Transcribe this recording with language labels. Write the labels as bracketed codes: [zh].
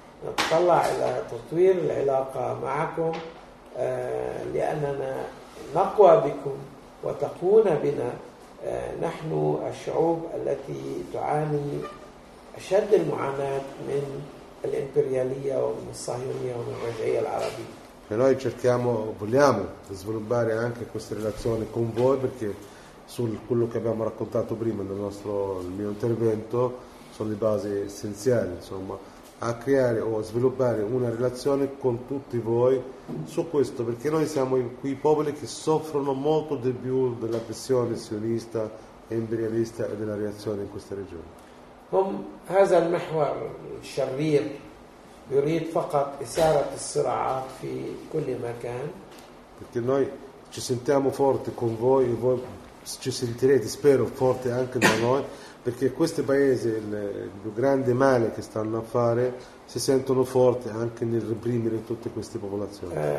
[ar] نطلع الى تطوير العلاقه معكم لاننا نقوى بكم وتقون بنا. نحن الشعوب التي تعاني أشد المعاناة من الإمبريالية ومن الصهيونية ومن الرجعية العربية. [it] Noi cerchiamo, vogliamo sviluppare anche queste relazioni con voi, perché su quello che abbiamo raccontato prima nel nostro, il mio intervento, sono le basi essenziali, insomma, a creare o sviluppare una relazione con tutti voi su questo, perché noi siamo quei popoli che soffrono molto di più della pressione sionista e imperialista e della reazione in questa regione. [ar] هم هذا المحور الشرير يريد فقط إثارة الصراعات في كل مكان. [it] Perché noi ci sentiamo forti con voi e voi ci sentirete, spero, forti anche da noi. Perché questi paesi, il più grande male che stanno a fare, si sentono forti anche nel reprimere tutte queste popolazioni.